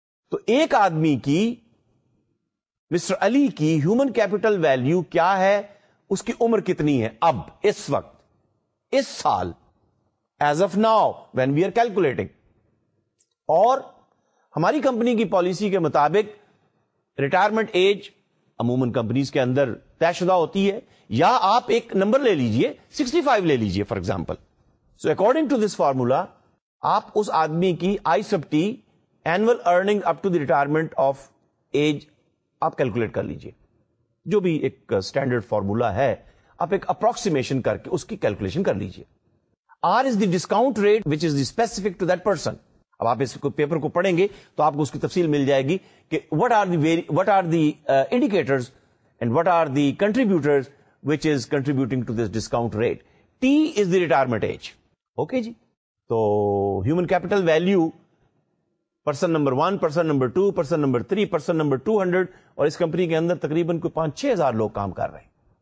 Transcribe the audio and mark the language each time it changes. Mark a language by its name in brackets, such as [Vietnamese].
[Urdu] تو ایک آدمی کی, مسٹر علی کی ہیومن کیپیٹل ویلیو کیا ہے, اس کی عمر کتنی ہے اب اس وقت اس سال, [English] as of now when we are calculating, [Urdu] اور ہماری کمپنی کی پالیسی کے مطابق ریٹائرمنٹ ایج عموماً کمپنیز کے اندر طے شدہ ہوتی ہے, یا آپ ایک نمبر لے لیجئے 65 لے لیجئے for example. [English] so according to this formula [Urdu] آپ اس آدمی کی ISFT [English] annual earning up to the retirement of age [Urdu] آپ کیلکولیٹ کر لیجئے, جو بھی ایک سٹینڈرڈ فارمولا ہے آپ ایک اپروکسیمیشن کر کے اس کی کیلکولیشن کر لیجئے. [English] R is the discount rate which is the specific to that person. [Urdu] اب آپ اس کو پیپر کو پڑھیں گے تو آپ کو اس کی تفصیل مل جائے گی کہ [English] What are the indicators and what are the contributors which is contributing to this discount rate. T is the retirement age. [Urdu] Okay جی, تو human capital value person number 1, person number 2, person number 3, person number 200, اور اس company کے اندر تقریباً کوئی 5-6 ہزار لوگ کام کر رہے ہیں.